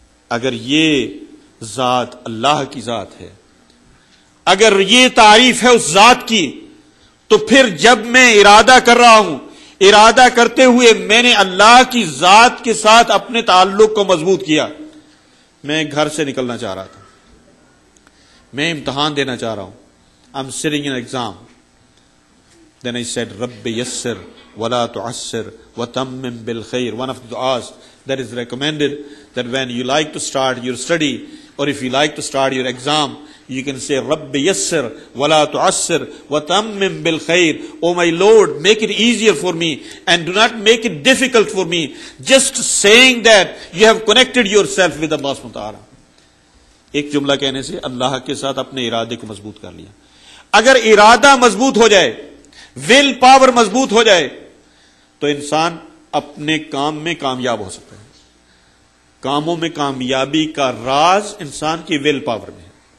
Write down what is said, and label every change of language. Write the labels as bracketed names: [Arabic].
[Urdu] اگر یہ ذات اللہ کی ذات ہے، اگر یہ تعریف ہے اس ذات کی، تو پھر جب میں ارادہ کر رہا ہوں، ارادہ کرتے ہوئے میں نے اللہ کی ذات کے ساتھ اپنے تعلق کو مضبوط کیا، میں گھر سے نکلنا چاہ رہا تھا، میں امتحان دینا چاہ رہا ہوں، [English] I'm sitting in exam. Then I said, [Arabic] رب یسر ولا تعسر وتمم بالخیر. [English] One of the du'as that is recommended, that when you like to start your study or if you like to start your exam, you can say [Arabic] رب یسر ولا تعسر وتمم بالخیر. [English] Oh my Lord, make it easier for me and do not make it difficult for me. Just saying that, you have connected yourself with Allah سبحانہ وتعالی. [Urdu] ایک جملہ کہنے سے اللہ کے ساتھ اپنے ارادے کو مضبوط کر لیا. اگر ارادہ مضبوط ہو جائے، ویل پاور مضبوط ہو جائے، تو انسان اپنے کام میں کامیاب ہو سکتا ہے. کاموں میں کامیابی کا راز انسان کی ویل پاور میں ہے.